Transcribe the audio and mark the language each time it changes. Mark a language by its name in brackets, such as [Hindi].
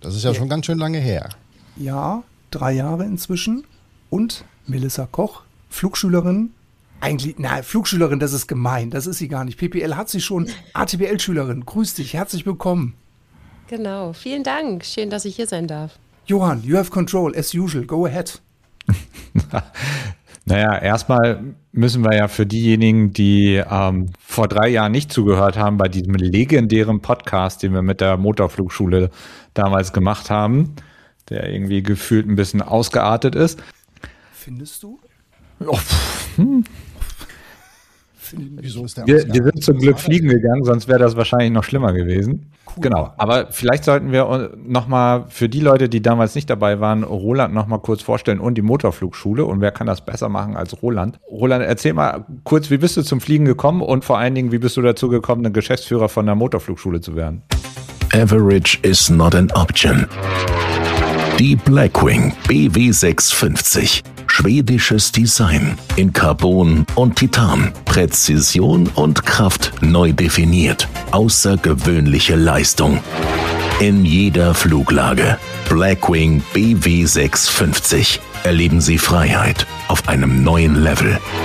[German] Das ist ja schon ganz schön lange her. Ja, 3 Jahre inzwischen. Und Melissa Koch, Flugschülerin. Eigentlich, nein, Flugschülerin, das ist gemein, das ist sie gar nicht. PPL hat sie schon, ATPL-Schülerin, grüß dich, herzlich willkommen. Genau, vielen Dank, schön, dass ich hier sein darf. [English] Johann, you have control, as usual, go ahead. [German] Naja, erstmal müssen wir ja für diejenigen, die vor 3 Jahren nicht zugehört haben, bei diesem legendären Podcast, den wir mit der Motorflugschule damals gemacht haben, der irgendwie gefühlt ein bisschen ausgeartet ist. Findest du? Wieso ist der wir sind zum Glück fliegen gegangen, sonst wäre das wahrscheinlich noch schlimmer gewesen. Cool. Genau, aber vielleicht sollten wir nochmal für die Leute, die damals nicht dabei waren, Roland nochmal kurz vorstellen und die Motorflugschule. Und wer kann das besser machen als Roland? Roland, erzähl mal kurz, wie bist du zum Fliegen gekommen und vor allen Dingen, wie bist du dazu gekommen, ein Geschäftsführer von der Motorflugschule zu werden? [English] Average is not an option. [German] Die Blackwing BW650. Schwedisches Design in Carbon und Titan. Präzision und Kraft neu definiert. Außergewöhnliche Leistung. In jeder Fluglage. Blackwing BW650. Erleben Sie Freiheit auf einem neuen Level.